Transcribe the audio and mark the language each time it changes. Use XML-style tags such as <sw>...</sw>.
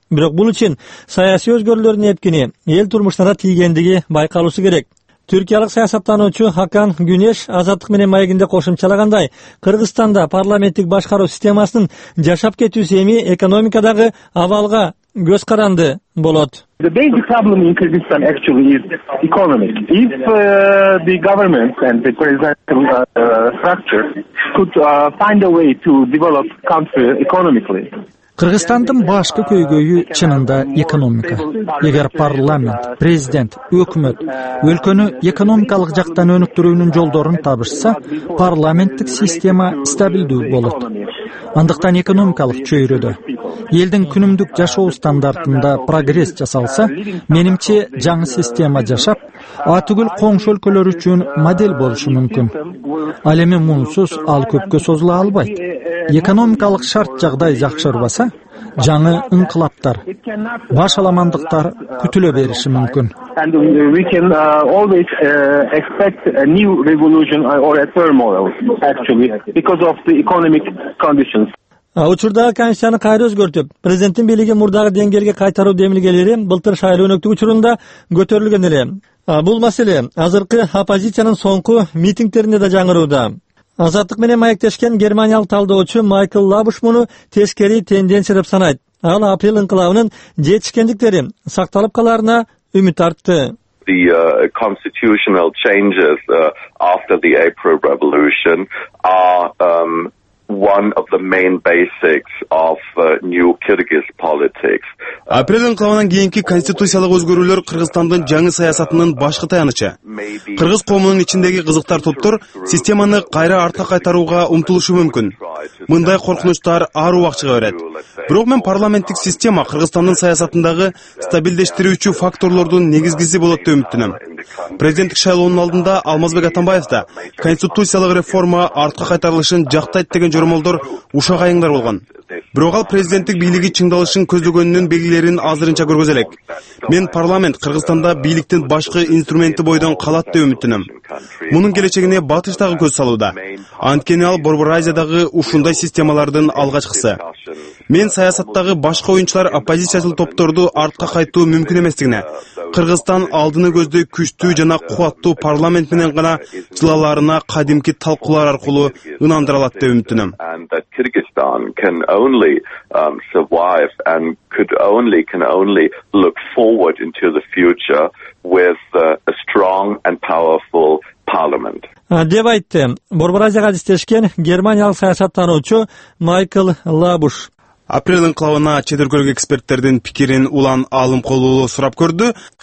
<ky>Бирок бул үчүн саясий өзгөрүүлөрдүн эпкини эл турмушуна да тийгендиги байкалуусу керек. Түркиялык саясаттануучу Хакан Гүнеш Азаттык менен маегинде кошумчалагандай, Кыргызстанда парламенттик башкаруу системасынын жашап кетүүсү эми экономикадагы абалга көз каранды болот.</ky> <en>The basic problem in Kyrgyzstan actually is economy. If the government and the presidential structure could find a way to develop country economically.</en> <ky>Кыргызстандын башкы көйгөйү чынында экономика. Эгер парламент, президент, өкмөт өлкөнү экономикалык жактан өнүктүрүүнүн жолдорун табышса, парламенттик система стабилдүү болот. Андыктан экономикалык чөйрөдө элдин күнүмдүк жашоо стандартында прогресс жасалса, менимче жаңы система жашап, Атүгүл коңшу өлкөлөр үчүн модель болушу мүмкүн. Ал эми мунсуз ал көпкө созула албайт. Экономикалык шарт жагдай жакшырбаса, жаңы инкылаптар, баш аламандыктар күтүлө бериши мүмкүн.</ky> <en>And we can always expect a new revolution or a turmoil actually because of the economic conditions.</en> <ky>Учурдагы конституцияны кайра өзгөртүп, президенттин бийлигин мурдагы деңгээлге кайтаруу демилгелери былтыр шайлоо өнөктүгү учурунда көтөрүлгөн эле. Бул маселе азыркы оппозициянын соңку митингтеринде да жаңырууда. Азаттык менен маектешкен германиялык талдоочу Майкл Лабуш муну тескери тенденция деп санайт. Ал апрель инкылабынын жетишкендиктери сакталып калаарына үмүт артты.</ky> <en>The constitutional changes after the April Revolution are one of the main basics of new Kyrgyz politics.</en> <ky>Апрелдин кылабынан кийинки конституциялык өзгөрүүлөр Кыргызстандын жаңы саясатынын башкы таянычы. Кыргыз коомунун ичиндеги кызыктар топтор системаны кайра артка кайтарууга умтулушу мүмкүн. Мындай коркунучтар ар убакыт чыга берет. Бирок мен парламенттик система Кыргызстандын саясатындагы стабилдештирүүчү факторлордун негизгиси болот деп үмүттөнөм. Президенттик шайлоонун алдында Алмазбек Атамбаев да конституциялык реформа артка кайтарылышын жактайт деген жоромолдор ушак айыңдар болгон. Бирок ал президенттик бийлиги чыңдалышын көздөгөнүнүн белгилерин азырынча көргөзө элек. Мен парламент Кыргызстанда бийликтин башкы инструменти бойдон калат деп үмүттөнөм. Мунун келечегине батыш дагы көз салууда. Анткени ал Борбор Азиядагы ушундай системалардын алгачкысы. Мен саясаттагы башка оюнчулар оппозициячыл топторду артка кайтуу мүмкүн эместигине, Кыргызстан алдыны көздөй күчтүү жана кубаттуу парламент менен гана жылаларына кадимки талкуулар аркылуу ынандыра алат деп үмүттөнөм.</ky> <en>Only survive and can only look forward into the future with a strong and powerful parliament.</en> <ky>Деп айтты Борбор Азияга иштешкен германиялык саясаттануучу Майкл Лабуш. Апрель инкылабына чет өлкөлүк эксперттердин пикирин Улан Алымкул уулу сурап көрдү.</ky>